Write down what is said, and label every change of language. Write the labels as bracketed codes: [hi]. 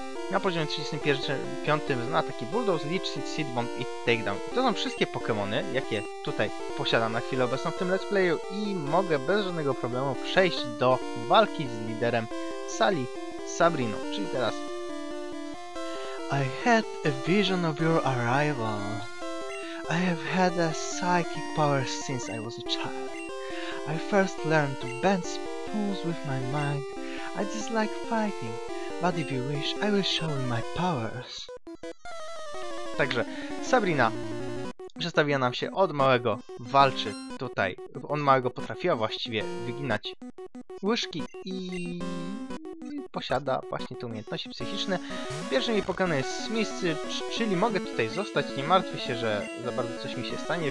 [pl] Na poziomie 35 zna taki Bulldoze, Leech Seed, Seed Bomb i Takedown. To są wszystkie Pokemony, jakie tutaj posiadam na chwilę obecną w tym Let's Playu i mogę bez żadnego problemu przejść do walki z liderem sali Sabriną, czyli teraz. [en] I had a vision of your arrival. I have had a psychic power since I was a child. I first learned to bend spoons with my mind. I dislike fighting, but if you wish, I will show you my powers. [pl] Także Sabrina przedstawiła nam się od małego, walczy tutaj. Od małego potrafiła właściwie wyginać łyżki i posiada właśnie te umiejętności psychiczne. Pierwszy mi pokonany jest Smithy, czyli mogę tutaj zostać, nie martwię się, że za bardzo coś mi się stanie.